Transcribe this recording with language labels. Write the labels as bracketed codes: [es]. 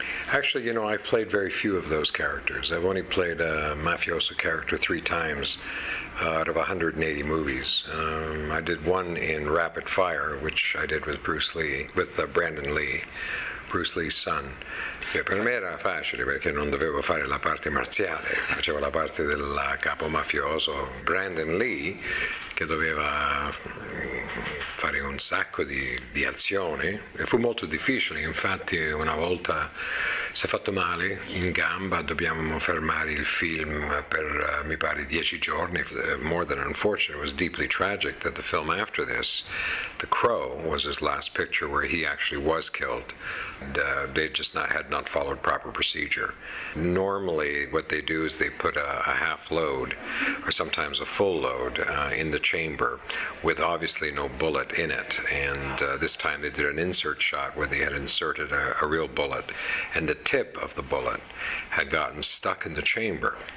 [en] Actually, you know, I've played very few of those characters. I've only played a mafioso character 3 times out of 180 movies. I did one in Rapid Fire, which I did with Bruce Lee, with Brandon Lee, Bruce Lee's son. [it] E per me era facile perché non dovevo fare la parte marziale, facevo la parte del capo mafioso Brandon Lee, che doveva fare un sacco di azioni, e fu molto difficile. Infatti una volta si è fatto male in gamba, dobbiamo fermare il film per mi pare 10 giorni. [en] More than unfortunate, it was deeply tragic that the film after this, The Crow, was his last picture where he actually was killed. They had not followed proper procedure. Normally what they do is they put a half load or sometimes a full load in the chamber with obviously no bullet in it, and this time they did an insert shot where they had inserted a real bullet, and the tip of the bullet had gotten stuck in the chamber.